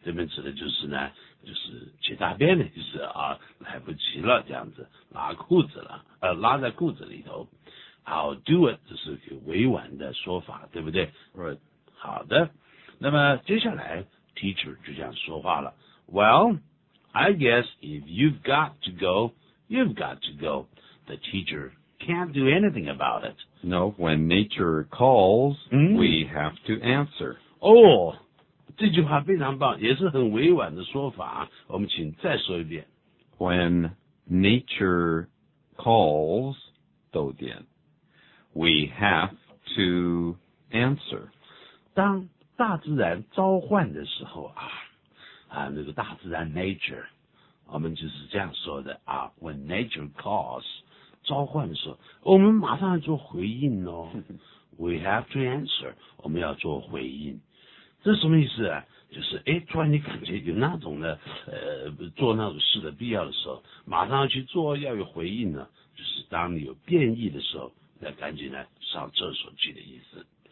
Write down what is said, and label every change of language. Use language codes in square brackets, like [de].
[zh] 这边指的就是呢，就是解大便的意思啊，来不及了，这样子拉裤子了，拉在裤子里头。 [en] I'll do it， [zh] 这是个委婉的说法，对不对 [en] ？Right。好的，那么接下来 teacher 就这样说话了。 Well， I guess if you've got to go， you've got to go。 The teacher。 Can't do anything about it. No, when nature calls,、we have to answer. [zh] Oh, 这句话非常棒，也是很委婉的说法。我们请再说一遍。 [en] When nature calls, [zh] 逗点 [en] we have to answer. [zh] 当大自然召唤的时候啊，啊，那个大自然 nature， 我们就是这样说的啊。 [en] When nature calls. [zh] 召唤的时候我们马上要做回应哦 [en] We have to answer [zh] 我们要做回应这什么意思啊就是诶突然你感觉有那种的做那种事的必要的时候马上要去做要有回应呢就是当你有变异的时候那赶紧呢上厕所去的意思